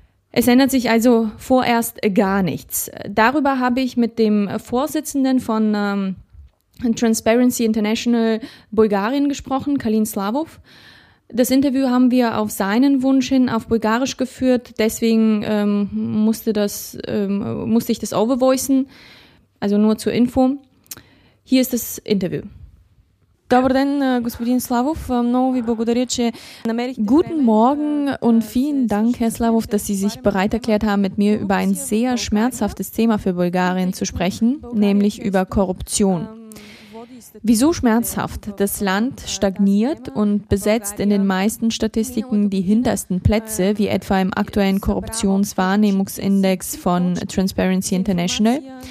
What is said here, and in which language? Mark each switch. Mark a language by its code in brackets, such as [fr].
[de] Es ändert sich also vorerst gar nichts. Darüber habe ich mit dem Vorsitzenden von Transparency International Bulgarien gesprochen, Kalin Slavov. Das Interview haben wir auf seinen Wunsch hin auf Bulgarisch geführt, deswegen musste ich das overvoicen, also nur zur Info. Hier ist das Interview. [bg] Добър ден, господин Славов. Много ви благодаря, че намерихте време. [de] Guten Morgen und vielen Dank, Herr Slavov, dass Sie sich bereit erklärt haben, mit mir über ein sehr schmerzhaftes Thema für Bulgarien zu sprechen, nämlich über Korruption. Wieso schmerzhaft? Das Land stagniert und besetzt in den meisten Statistiken die hintersten Plätze, wie etwa im aktuellen Korruptionswahrnehmungsindex von Transparency International.